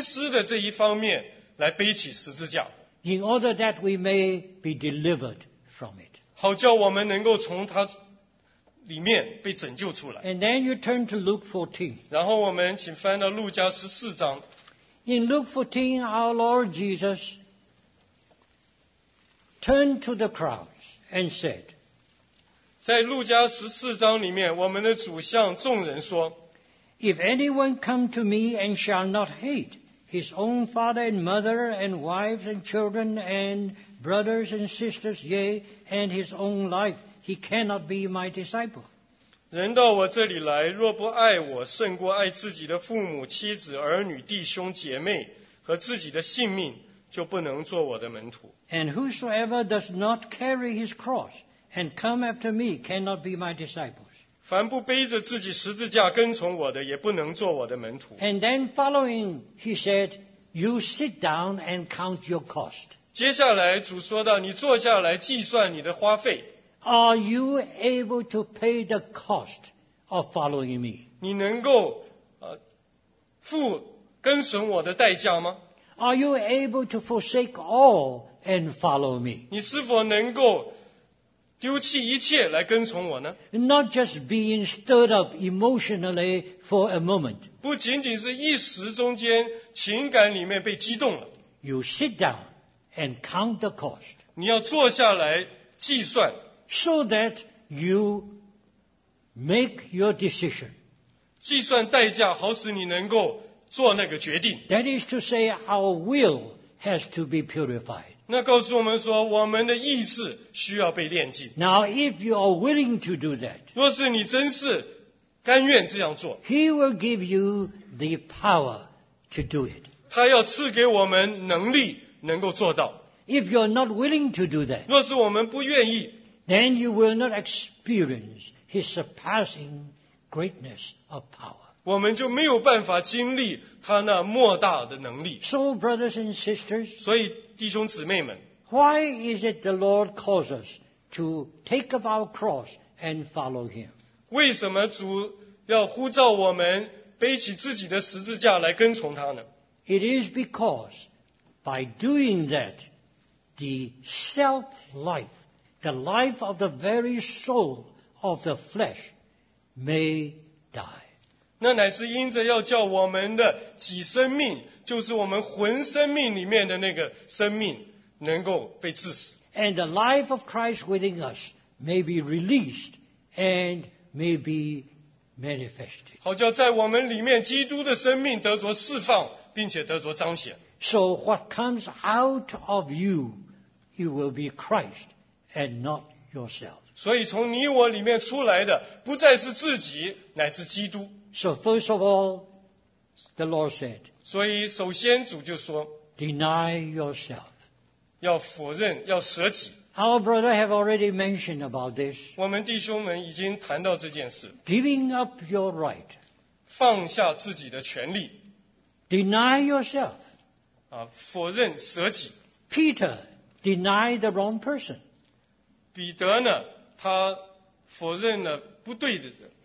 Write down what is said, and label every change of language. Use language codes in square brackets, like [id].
[zh] 所以我们必须要在我们心思的这一方面来背起十字架。 [en] In order that we may be delivered from it. [zh] 好叫我们能够从它里面被拯救出来。 [en] And then you turn to Luke 14. [zh] 然后我们请翻到路加14章。 [en] In Luke 14, our Lord Jesus turned to the crowds and said, [zh] 在路加14章里面,我们的主向众人说, [en] If anyone come to me and shall not hate his own father and mother and wives and children and brothers and sisters, yea, and his own life, he cannot be my disciple. [zh] 人到我这里来,若不爱我,胜过爱自己的父母,妻子,儿女,弟兄,姐妹,和自己的性命, 就不能做我的门徒。 [en] And whosoever does not carry his cross and come after me cannot be my disciples. [zh] 凡不背着自己十字架跟从我的，也不能做我的门徒。 [en] And then following, he said, you sit down and count your cost. [zh] 接下来主说到，你坐下来计算你的花费。 [en] Are you able to pay the cost of following me? [zh] 你能够付跟随我的代价吗？ [en] Are you able to forsake all and follow me? [zh] 你是否能够丢弃一切来跟从我呢？ [en] Not just being stirred up emotionally for a moment. [zh] 不仅仅是一时中间情感里面被激动了。 [en] You sit down and count the cost. [zh] 你要坐下来计算。 [en] So that you make your decision. [zh] 计算代价好使你能够做那个决定。 [en] That is to say, our will has to be purified. [zh] 那告诉我们说，我们的意志需要被炼净。 [en] Now, if you are willing to do that, [zh] 若是你真是甘愿这样做， [en] He will give you the power to do it. [zh] 他要赐给我们能力能够做到。 [en] If you are not willing to do that, [zh] 若是我们不愿意， [en] then you will not experience his surpassing greatness of power. [zh] 我们就没有办法经历他那莫大的能力。 [en] So, brothers and sisters, [zh] 所以弟兄姊妹们， [en] why is it the Lord calls us to take up our cross and follow him? [zh] 为什么主要呼召我们背起自己的十字架来跟从他呢？ [en] It is because by doing that, the self-life, the life of the very soul of the flesh may die. [zh] 那乃是因着要叫我们的己生命，就是我们魂生命里面的那个生命能够被致死。 [en] And the life of Christ within us may be released and may be manifested. [zh] 好叫在我们里面基督的生命得着释放，并且得着彰显。 [en] So what comes out of you, it will be Christ. And not yourself. [zh] 所以从你我里面出来的不再是自己，乃是基督。 [en] So first of all, the Lord said. [zh] 所以首先主就说， [en] Deny yourself. [zh] 要否认，要舍己。 [en] Our brother have already mentioned about this. [zh] 我们弟兄们已经谈到这件事。 [en] Giving up your right. [zh] 放下自己的权利。 [en] Deny yourself. [zh] 否认，舍己。 [en] Peter denied the wrong person. [zh] 彼得呢，他否认了不对的，错的人。